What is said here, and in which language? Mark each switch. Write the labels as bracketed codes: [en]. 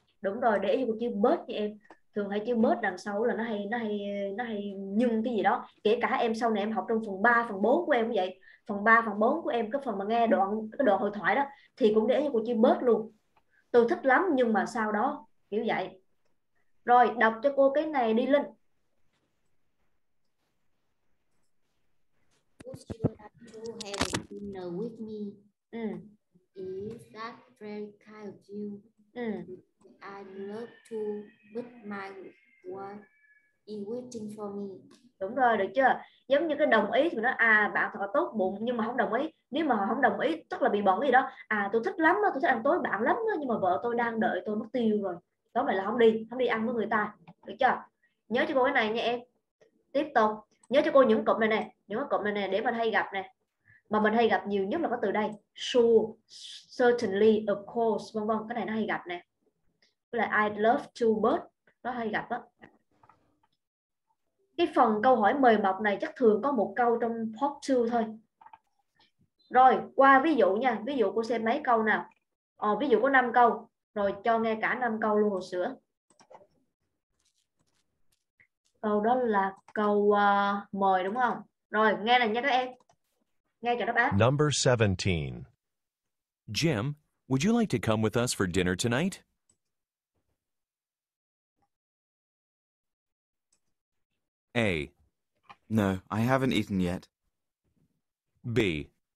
[vi] Đúng rồi, để cho một chữ but nha em. Thường hay chữ but đằng sau là nó hay nhưng cái gì đó. Kể cả em sau này em học trong phần 3, phần 4 của em cũng vậy. Phần 3, phần 4 của em, cái phần mà nghe đoạn cái đoạn hội thoại đó thì cũng để cho một chữ but luôn. Tôi thích lắm nhưng mà sau đó, kiểu vậy. Rồi, đọc cho cô cái này đi Linh. [en] Would you like to have dinner with me? Is that very kind of you? I'd love to, but my wife is waiting for me. [vi] Đúng rồi, được chưa? Giống như cái đồng ý thì nó bạn thật là tốt bụng nhưng mà không đồng ý. Nếu mà họ không đồng ý tức là bị bận gì đó. Tôi thích lắm, tôi thích ăn tối bạn lắm nhưng mà vợ tôi đang đợi tôi mất tiêu rồi. Đó mà là không đi ăn với người ta. Được chưa? Nhớ cho cô cái này nha em. Tiếp tục. Nhớ cho cô những cụm này nè, những cụm này nè để mình hay gặp nè. Mà mình hay gặp nhiều nhất là có từ đây. [en] Sure, certainly, of course, [vi] vân vân, cái này nó hay gặp nè. Với lại [en] I'd love to but [vi] nó hay gặp á. Cái phần câu hỏi mời mọc này chắc thường có một câu trong part 2 thôi. Rồi, qua ví dụ nha. Ví dụ cô xem mấy câu nào. Ví dụ có 5 câu. Rồi cho nghe cả 5 câu luôn hồi sữa. Câu đó là câu mời đúng không? Rồi, nghe này nha các em. Nghe cho đáp án. [en] Number 17. Jim, would you like to come with us for dinner tonight? A. No, I haven't eaten yet. B.